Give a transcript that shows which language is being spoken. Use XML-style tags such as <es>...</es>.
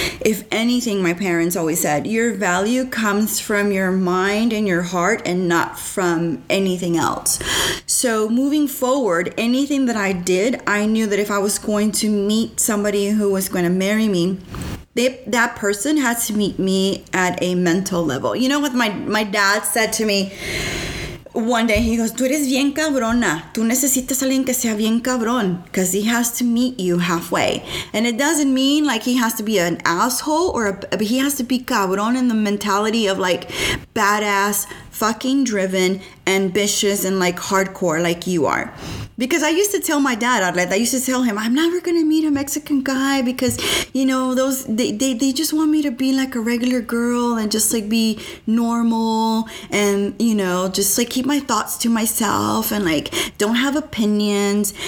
<en>If anything, my parents always said, your value comes from your mind and your heart and not from anything else. So moving forward, anything that I did, I knew that if I was going to meet somebody who was going to marry me, that person has to meet me at a mental level. You know what my dad said to me? One day he goes,</en> <es>tú eres bien cabrona. Tú necesitas alguien que sea bien cabrón.</es> <en>Because he has to meet you halfway. And it doesn't mean like he has to be an asshole, but he has to be cabrón in the mentality of like badass, fucking driven, ambitious, and like hardcore like you are. Because I used to tell my dad, Arlette, I used to tell him, I'm never going to meet a Mexican guy because, you know, those they just want me to be like a regular girl and just like be normal and, you know, just like keep my thoughts to myself and like don't have opinions.</en>